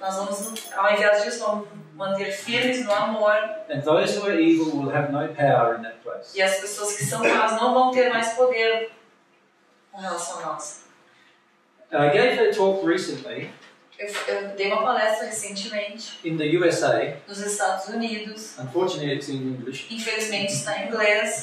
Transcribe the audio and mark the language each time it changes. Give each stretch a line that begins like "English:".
Portuguese: Nós vamos, ao invés disso, vamos manter firmes no amor.
English: And those who are evil will have no power in that place.
Portuguese: E as pessoas que são más não vão ter mais poder com relação a nós.
English: I gave a talk recently.
Portuguese: Eu dei uma palestra recentemente.
English: In the USA.
Portuguese: Nos Estados Unidos.
English: Unfortunately, it's in English.
Portuguese: Infelizmente, está em inglês.